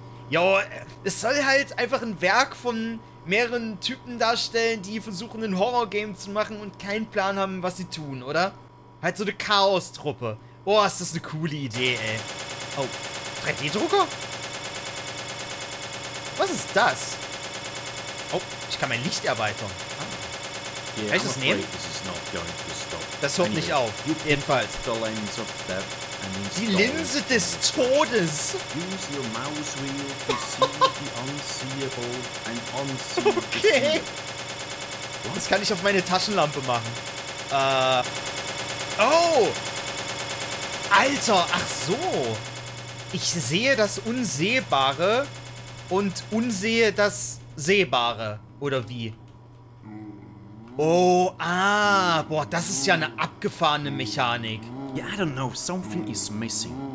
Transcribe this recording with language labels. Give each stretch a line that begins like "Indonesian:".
German: Jo, es soll halt einfach ein Werk von mehreren Typen darstellen, die versuchen, ein Horror-Game zu machen und keinen Plan haben, was sie tun, oder? Halt so eine Chaos-Truppe. Oh, ist das eine coole Idee, ey. Oh, 3D-Drucker? Was ist das? Oh, Ich kann mein Licht erweitern. Kann ich das nehmen?
English: This is not going to stop.
German: Das hört nicht auf. Jedenfalls.
English: The lens of death and
German: die Linse des Todes.
English: Use your mouse wheel to see the unseeable and unseeable. Okay. What?
German: Das kann ich auf meine Taschenlampe machen. Oh! Alter, ach so. Ich sehe das Unsehbare und unsehe das Sehbare. Oder wie? Oh, ah, boah, das ist ja eine abgefahrene Mechanik.
English: Yeah, I don't know, something is missing.